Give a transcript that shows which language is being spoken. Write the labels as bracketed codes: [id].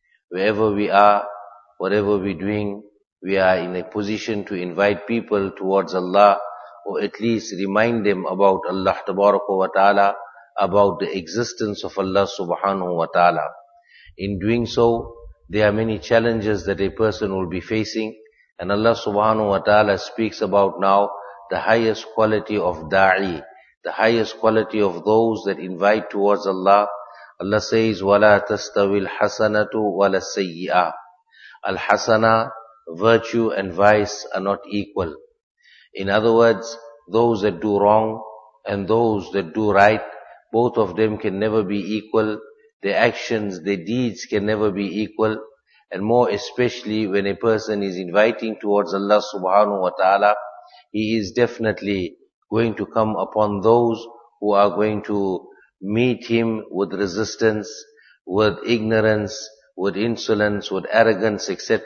[en] Wherever we are, whatever we're doing, we are in a position to invite people towards Allah, or at least remind them about Allah Tabaraka wa Ta'ala, about the existence of Allah Subhanahu wa Ta'ala. In doing so, there are many challenges that a person will be facing, and Allah Subhanahu wa Ta'ala speaks about now the highest quality of da'i, the highest quality of those that invite towards Allah. Allah says, [ar] وَلَا تَسْتَوِي الْحَسَنَةُ وَلَا السَّيِّئَةُ. [en] Al-hasana, virtue and vice are not equal. In other words, those that do wrong and those that do right, both of them can never be equal. Their actions, their deeds can never be equal. And more especially when a person is inviting towards Allah subhanahu wa ta'ala, he is definitely going to come upon those who are going to meet him with resistance, with ignorance, with insolence, with arrogance, etc.